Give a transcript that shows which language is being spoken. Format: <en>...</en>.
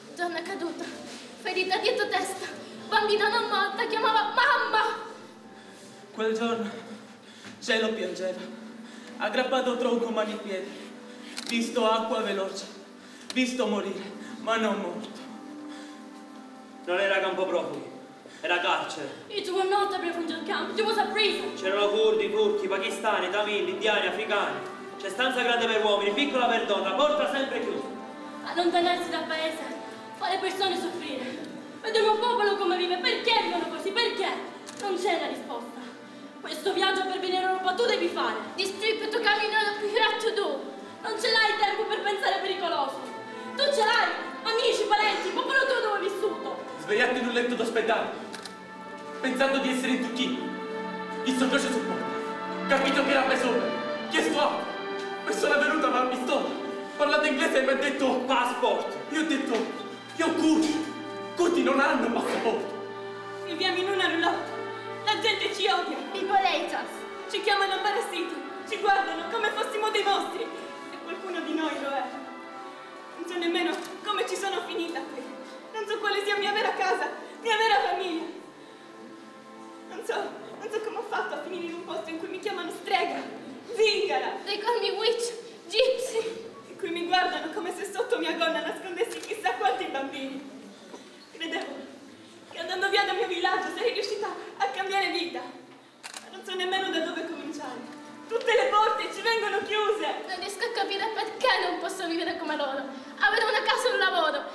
<it>Donna caduta, ferita dietro testa, bambina non morta, chiamava mamma. Quel giorno, cielo piangeva, aggrappato tronco, mani e piedi. Visto acqua veloce, visto morire, ma non morto. Non era campo profughi, era carcere.</it> <en>It was not a refugee camp, it was a prison.</en> <it>C'erano curdi, turchi, pakistani, tamili, indiani, africani. C'è stanza grande per uomini, piccola per donna, porta sempre chiusa. Allontanarsi dal paese fa le persone soffrire. Vediamo un popolo come vive, perché vivono così, perché? Non c'è la risposta. Questo viaggio per venire in Europa tu devi fare.</it> <en>This trip to come in Europe, you have to do.</en> <it>Non ce l'hai tempo per pensare pericoloso. Tu ce l'hai, amici, parenti, popolo tuo dove hai vissuto. Svegliati in un letto d'ospedale, pensando di essere in Turchia. Il soggiorno su porta, capito che era preso, chiesto acqua. Persona venuta mi ha visto, parlato inglese e mi ha detto passport. Io ho detto, io ho curti, curti non hanno passaporto. Viviamo in una roulotte, la gente ci odia.</it> <en>People hate us.</en> <it>Ci chiamano parassiti, ci guardano come fossimo dei mostri. Qualcuno di noi lo è. Non so nemmeno come ci sono finita qui. Non so quale sia mia vera casa, mia vera famiglia. Non so come ho fatto a finire in un posto in cui mi chiamano strega, zingara.</it> <en>They call me witch, gypsy.</en> <it>In cui mi guardano come se sotto mia gonna nascondessi chissà quanti bambini. Credevo che andando via dal mio villaggio sarei riuscita a cambiare vita. Ma non so nemmeno da dove cominciare. Tutte le porte ci vengono chiuse! Non riesco a capire perché non posso vivere come loro. Avere una casa e un lavoro.</it>